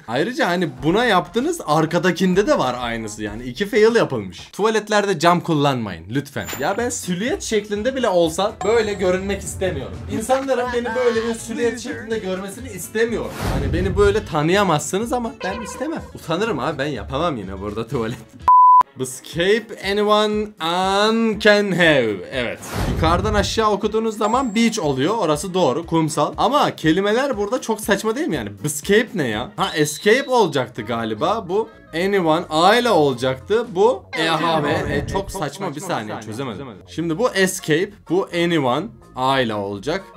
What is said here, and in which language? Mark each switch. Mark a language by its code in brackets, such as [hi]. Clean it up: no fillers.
[tr] Ayrıca hani buna yaptınız arkadakinde de var aynısı yani iki fail yapılmış. Tuvaletlerde cam kullanmayın lütfen. Ya ben silüet şeklinde bile olsa böyle görünmek istemiyorum. İnsanların beni böyle bir silüet şeklinde görmesini istemiyorum. Hani beni böyle tanıyamazsınız ama ben istemem. Utanırım abi ben yapamam yine burada tuvalet. [en] Escape anyone and can have. [tr] Evet. Yukarıdan aşağı okuduğunuz zaman beach oluyor. Orası doğru. Kumsal. Ama kelimeler burada çok saçma değil mi yani? Escape ne ya? Ha, escape olacaktı galiba bu. Anyone aile olacaktı bu. Çok saçma bir saniye çözemedim. Şimdi bu escape, bu anyone aile olacak.